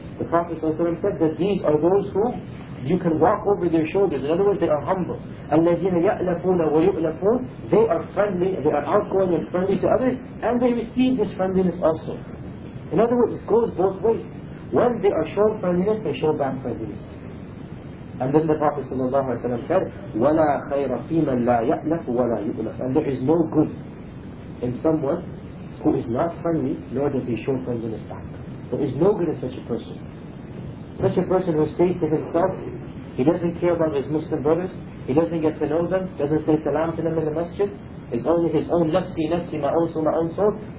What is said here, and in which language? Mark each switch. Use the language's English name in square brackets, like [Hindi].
[English] The Prophet said that these are those who you can walk over their shoulders. In other words, they are humble. [Arabic] الَّذِينَ يَأْلَفُونَ وَيُؤْلَفُونَ. [English] They are friendly, they are outgoing and friendly to others, and they receive this friendliness also. In other words, it goes both ways. When they are shown friendliness, they show back friendliness. And then the Prophet said, [Arabic] وَلَا خَيْرَ فِي مَنْ لَا يَأْلَفُ وَلَا يُؤْلَفُ. [English] And there is no good in someone who is not friendly, nor does he show friendliness back. There is no good in such a person. Such a person who stays to himself, he doesn't care about his Muslim brothers, he doesn't get to know them, doesn't say salam to them in the masjid, it's only his own nafsi, nafsi, ma'onso, ma'onso.